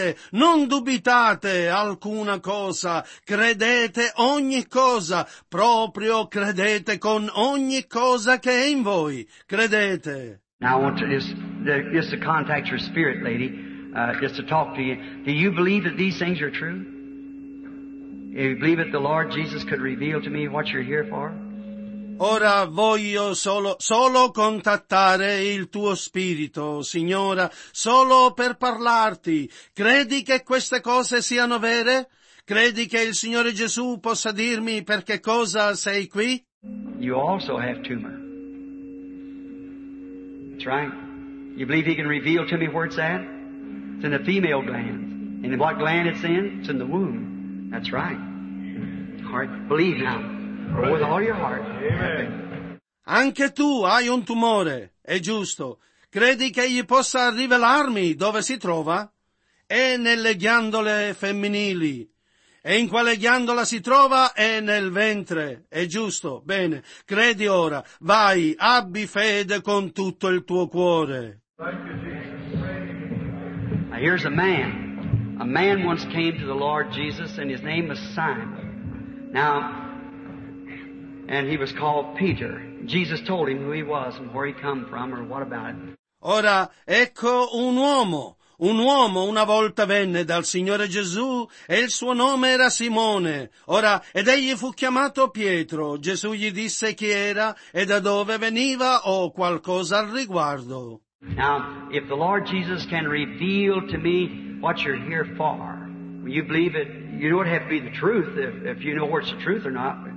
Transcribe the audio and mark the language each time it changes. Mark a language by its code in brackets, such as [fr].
[it] Non dubitate alcuna cosa. Credete ogni cosa. Proprio credete con ogni cosa che è in voi. Credete. [en] Now I want to just to contact your spirit, lady. Just to talk to you. Do you believe that these things are true? Do you believe that the Lord Jesus could reveal to me what you're here for? [it] Ora voglio solo contattare il tuo spirito, signora, solo per parlarti. Credi che queste cose siano vere? Credi che il Signore Gesù possa dirmi per che cosa sei qui? [en] You also have tumor. That's right. You believe he can reveal to me where it's at? It's in the female gland. And what gland it's in? It's in the womb. That's right. All right. Believe now. With all your heart. Amen. [it] Anche tu hai un tumore. È giusto. Credi che egli possa rivelarmi dove si trova? È nelle ghiandole femminili. E in quale ghiandola si trova? È nel ventre. È giusto. Bene. Credi ora. Vai. Abbi fede con tutto il tuo cuore. [en] Here's a man. A man once came to the Lord Jesus, and his name was Simon. Now, and he was called Peter. Jesus told him who he was and where he come from, or what about it. [it] Ora, ecco un uomo. Un uomo una volta venne dal Signore Gesù, e il suo nome era Simone. Ora, ed egli fu chiamato Pietro. Gesù gli disse chi era e da dove veniva o qualcosa al riguardo. [en] Now, if the Lord Jesus can reveal to me what you're here for, you believe it, you don't have to be the truth if you know what's the truth or not.